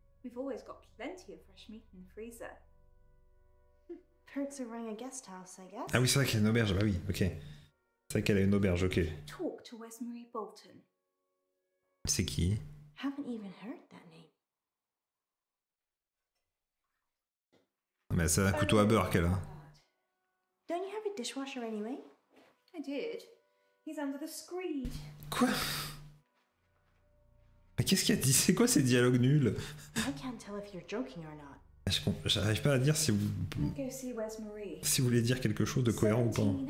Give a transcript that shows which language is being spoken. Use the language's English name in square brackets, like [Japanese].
[English] We've always got plenty of fresh meat in the freezer. Perks of running a guest house, I guess. [French] Ah oui, c'est vrai qu'elle a une auberge. Bah oui, ok. C'est vrai qu'elle a une auberge, ok. [English] Talk to Westmary Bolton. [French] C'est qui? [English] Haven't even heard that name. [French] Mais c'est un couteau à beurre qu'elle a. [English] Don't you have a dishwasher anyway? I did. He's under the screed. [French] Quoi? Mais qu'est-ce qu'il a dit? C'est quoi ces dialogues nuls? [English] I can't tell if you're joking or not. [French] J'arrive pas à dire si vous... Si vous voulez dire quelque chose de cohérent ou pas.